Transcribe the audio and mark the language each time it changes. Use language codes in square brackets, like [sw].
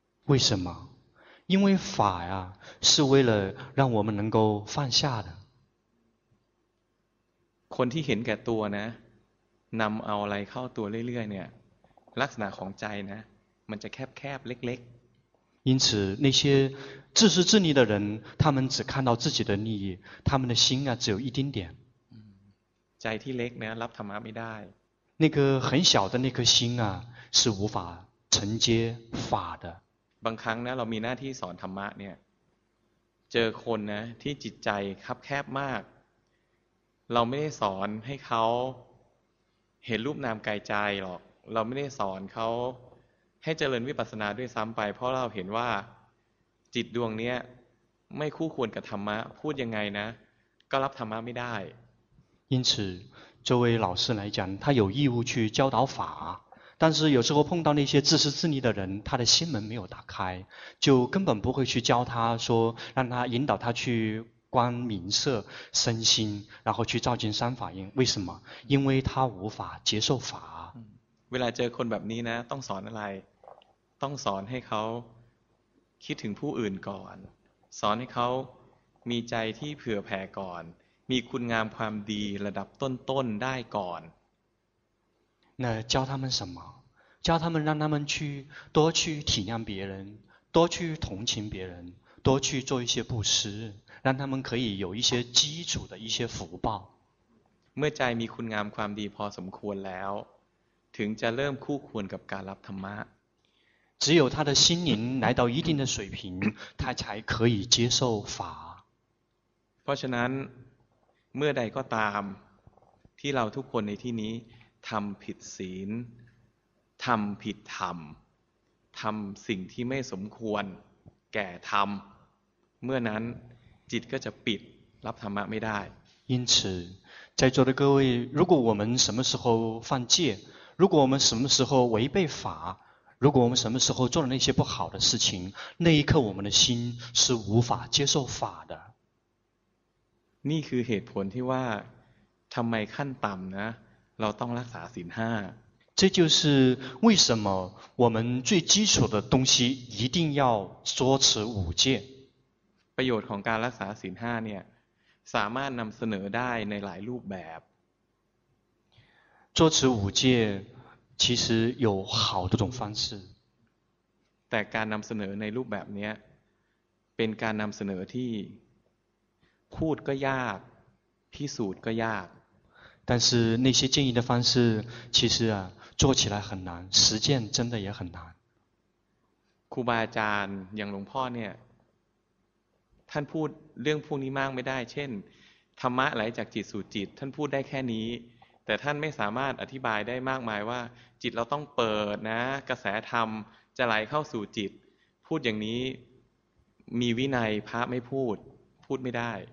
[zh] 为什么因为法呀是为了让我们能够放下的 [th] คนที่เห็นแก่ตัวนะนำเอาอะไรเข้าตัวเรื่อยๆเนี่ยลักษณะของใจนะมันจะแคบๆเล็ก [zh] ๆ因此那些自私自利的人他们只看到自己的利益他们的心啊只有一丁点 [th] ใจที่เล็กนะรับธรรมะไม่ได้ [zh] 那个很小的那颗心啊是无法承接法的 [th] บางครั้งนะเรามีหน้าที่สอนธรรมะเนี่ยเจอคนนะที่จิตใจคับแคบมากเราไม่ได้สอนให้เขาเห็นรูปนามกายใจหรอกเราไม่ได้สอนเขาให้เจริญวิปัสสนาด้วยซ้ำไปเพราะเราเห็นว่าจิตดวงนี้ไม่คู่ควรกับธรรมะพูดยังไงนะก็รับธรรมะไม่ได้ [zh] 因此作为老师来讲他有义务去教导法但是有时候碰到那些自私自利的人他的心门没有打开就根本不会去教他说让他引导他去观明色身心然后去照见三法印为什么因为他无法接受法 [th] เวลาเจอคนแบบนี้นะต้องสอนอะไรต้องสอนให้เขาคิดถึงผู้อื่นก่อนสอนให้เขามีใจที่เผื่อแผ่ก่อนมีคุณงามความดีระดับต้นต้นได้ก่อน [zh] 那教他们什么教他们让他们去多去体谅别人多去同情别人多去做一些布施让他们可以有一些基础的一些福报 [th] เมื่อใจมีคุณงามความดีพอสมควรแล้วถึงจะเริ่มคู่ควรกับการรับธรรมะ [zh] 只有他的心灵来到一定的水平他才可以接受法 [th] เพราะฉะนั้นเมื่อใดก็ตามที่เราทุกคนในที่นี้ทำผิดศีลทำผิดธรรมทำสิ่งที่ไม่สมควรแก่ธรรมเมื่อนั้นจิตก็จะปิดรับธรรมะไม่ได้ [zh] 因此在座的各位如果我们什么时候犯戒如果我们什么时候违背法如果我们什么时候做了那些不好的事情那一刻我们的心是无法接受法的 [th] นี่คือเหตุผลที่ว่าทำไมขั้นต่ำนะเราต้องรักษาศีล5 [zh] 这就是为什么我们最基础的东西一定要遵持五戒 [th] ประโยชน์ของการรักษาศีล5เนี่ยสามารถนำเสนอได้ในหลายรูปแบบ [zh] 做持五戒其实有好多种方式 [th] แต่การนำเสนอในรูปแบบนี้เป็นการนำเสนอที่พูดก็ยากพิสูจน์ก็ยาก [zh] 但是那些建议的方式其实啊做起来很难实践真的也很难 [th] ครูบาอาจารย์อย่างหลวงพ่อเนี่ยท่านพูดเรื่องพวกนี้มากไม่ได้เช่นธรรมะไหลจากจิตสู่จิตท่านพูดได้แค่นี้แต่ท่านไม่สามารถอธิบายได้มากมายว่าจิตเราต้องเปิดนะกระแสธรรมจะไหลเข้าสู่จิตพูดอย่างนี้มีวินัยพระไม่พูดพูดไม่ได้